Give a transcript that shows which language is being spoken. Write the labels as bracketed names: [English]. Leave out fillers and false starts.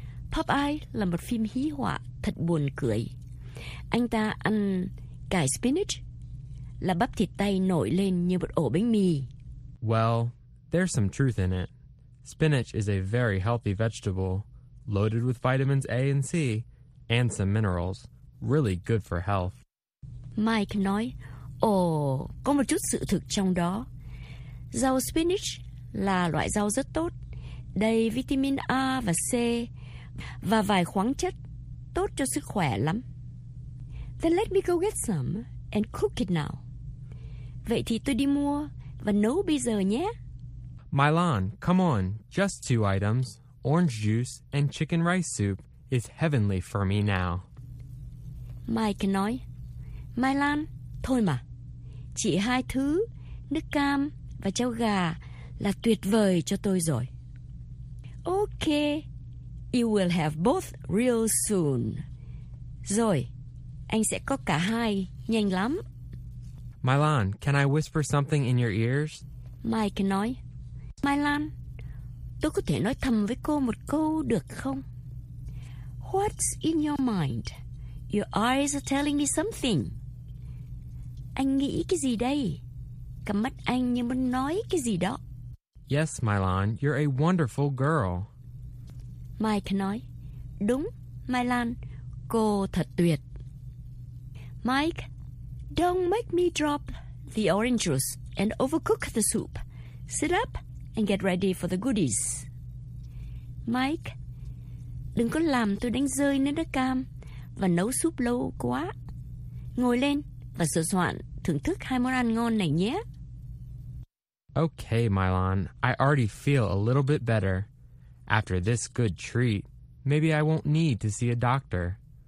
[Vietnamese] Popeye là một phim hí họa thật buồn cười. Anh ta ăn cải spinach, là bắp thịt tay nổi lên như một ổ bánh mì. [English] Well, there's some truth in it. Spinach is a very healthy vegetable, loaded with vitamins A and C, and some minerals. Really good for health. [Vietnamese] Mike nói, ồ, có một chút sự thực trong đó. Rau spinach là loại rau rất tốt, đầy vitamin A và C, và vài khoáng chất tốt cho sức khỏe lắm. [English] Then let me go get some and cook it now. [Vietnamese] Vậy thì tôi đi mua và nấu bây giờ nhé. [English] Mylon, come on, just two items, orange juice and chicken rice soup is heavenly for me now. [Vietnamese] Mike nói, Mylon, thôi mà, chỉ hai thứ, nước cam và cháo gà là tuyệt vời cho tôi rồi. [English] Okay, you will have both real soon. [Vietnamese] Rồi, anh sẽ có cả hai, nhanh lắm. [English] Mylon, can I whisper something in your ears? [Vietnamese] Mike nói, Mylon, tôi có thể nói thầm với cô một câu được không? [English] What's in your mind? Your eyes are telling me something. [Vietnamese] Anh nghĩ cái gì đây? Cặp mắt anh như muốn nói cái gì đó. [English] Yes, Mylon, you're a wonderful girl. [Vietnamese] Mike nói, đúng, Mylon, cô thật tuyệt. [English] Mike, don't make me drop the orange juice and overcook the soup. Sit up and get ready for the goodies. [Vietnamese] Mike, đừng có làm tôi đánh rơi nước cam và nấu súp lâu quá. Ngồi lên và sửa soạn thưởng thức hai món ăn ngon này nhé. [English] Okay, Mylon, I already feel a little bit better. After this good treat, maybe I won't need to see a doctor.